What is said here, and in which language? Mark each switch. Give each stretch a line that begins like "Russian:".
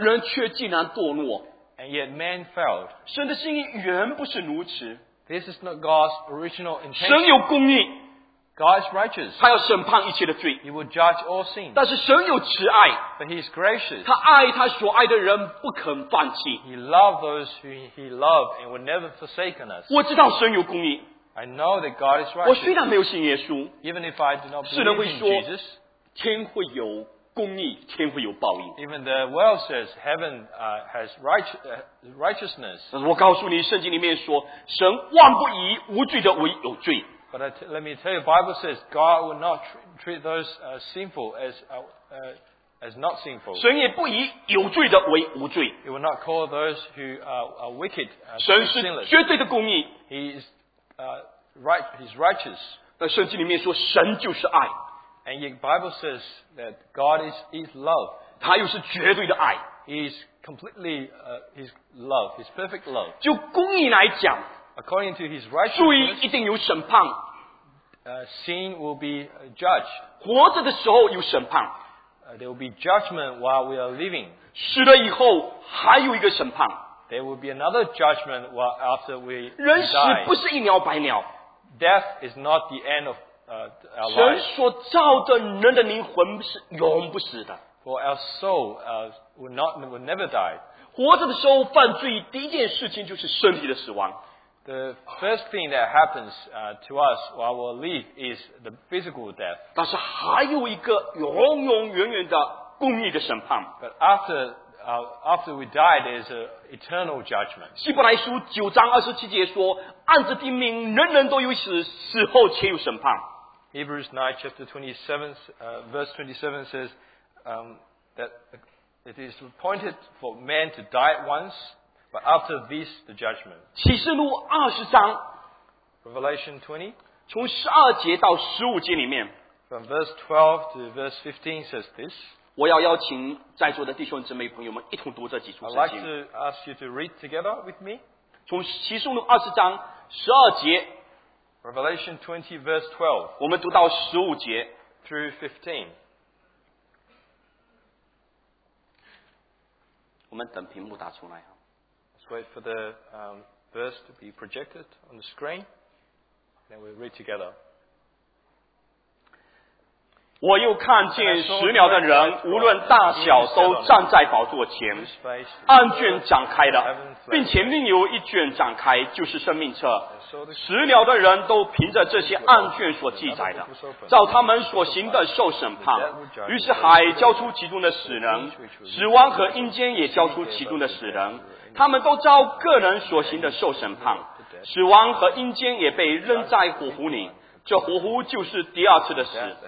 Chinese: 人却竟然堕落。
English: And yet man failed.
Chinese: 神的心意原不是如此。
English: This is not God's original intention.
Chinese: 神有公义。
English: God is righteous.
Chinese: 他要审判一切的罪。
English: He will judge all sins.
Chinese: 但是神有慈爱。
English: But he is gracious.
Chinese: 他爱他所爱的人不肯放弃。
English: He loved those who he loved and would never forsaken us.
Chinese: 我知道神有公义。
English: I know that God is righteous.
Chinese: 我虽然没有信耶稣，世人会说天会有公义，天会有报应。
English: Even the world says heaven has righteousness.
Chinese: 我告诉你，圣经里面说神万不以无罪的为有罪。
English: But let me tell you, Bible says God will not treat those sinful as not sinful.
Chinese: 神也不以有罪的为无罪。
English: He will not call those who are wicked sinless.
Chinese: 神是绝对的公义。
English: He is right, he's righteous.
Chinese: 那圣经里面说，神就是爱。
English: And the Bible says that God is love.
Chinese: 他又是绝对的爱。
English: He's completely his love, his perfect love.
Chinese: 就公义来讲
English: ，According to his righteousness,
Chinese: 罪一定有审判。
English: Sin will be judged.
Chinese: 活着的时候有审判。
English: There will be judgment while we are living.
Chinese: 死了以后还有一个审判。
English: There will be another judgment after we die.
Chinese: 人死不是一了百了。
English: Death is not the end of our life.
Chinese: 神所造的人的灵魂是永不死的。
English: For our soul will never die.
Chinese: 活着的时候犯罪，第一件事情就是身体的死亡。
English: The first thing that happens to us while we live is the physical death.
Chinese: 但是还有一个永永远远的公义的审判。
English: But after we die, there's an eternal judgment.
Chinese: 希伯来书九章二十七节说，按着定命，人人都有死，死后且有审判。
English: Hebrews 9, chapter 27, verse 27 says that it is appointed for man to die once, but after this, the judgment.
Chinese: 启示录二十章
English: Revelation 20,
Chinese: 从十二节到十五节里面
English: from verse 12 to verse 15 says this.
Chinese: 我要邀请在座的弟兄姊妹朋友们一同读这几处圣经。
English: I'd like to ask you to read together with me.
Chinese: 从启示录二十章十二节。
English: Revelation 20 verse 12.
Chinese: 我们读到十五节。
English: Through 15.
Chinese: 我们等屏幕打出来。
English: Let's wait for the verse to be projected on the screen. Then we'll read together.
Chinese: 我又看见石庙的人无论大小都站在宝座前案卷展开的并且另有一卷展开就是生命册石庙的人都凭着这些案卷所记载的照他们所行的受审判于是海交出其中的死人死亡和阴间也交出其中的死人他们都照个人所行的受审判死亡和阴间也被扔在火湖里这活乎就是第二次的死